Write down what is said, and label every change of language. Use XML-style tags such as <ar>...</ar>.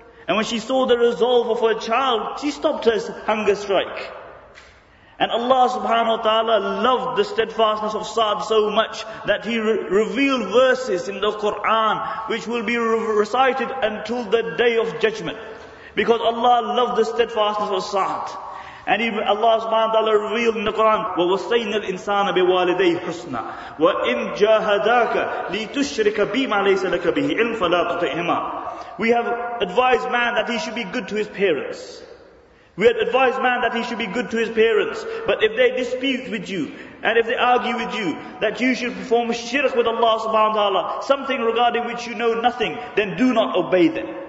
<en>And when she saw the resolve of her child, she stopped her hunger strike. And Allah subhanahu wa ta'ala loved the steadfastness of Sa'd so much that he revealed verses in the Quran which will be recited until the day of judgment. Because Allah loved the steadfastness of Sa'd. And even Allah subhanahu wa ta'ala revealed in the Quran,</en> <ar>وَوَصَّيْنَا الْإِنسَانَ بِوَالِدَيْهِ حُسْنًا وَإِنْ جَاهَدَاكَ لِتُشْرِكَ بِمَا لَيْسَ لَكَ بِهِ عِلْمٍ فَلَا تُطِعْهُمَا.</ar> <en>We have advised man that he should be good to his parents. We had advised man that he should be good to his parents. But if they dispute with you, and if they argue with you, that you should perform shirk with Allah subhanahu wa ta'ala, something regarding which you know nothing, then do not obey them.</en>